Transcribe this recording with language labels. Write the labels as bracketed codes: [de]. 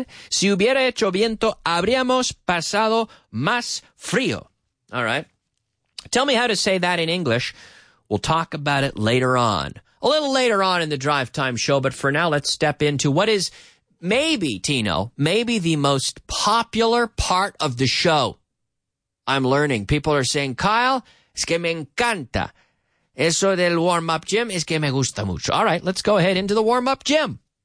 [es] Si hubiera hecho viento, habríamos pasado más frío. [en] All right. Tell me how to say that in English. We'll talk about it later on. A little later on in the Drive Time Show, but for now, let's step into what is maybe, Tino, maybe the most popular part of the show. I'm learning. People are saying, Kyle, [es] es que me encanta. Eso del warm-up gym es que me gusta mucho. [en] All right, let's go ahead into the warm-up gym.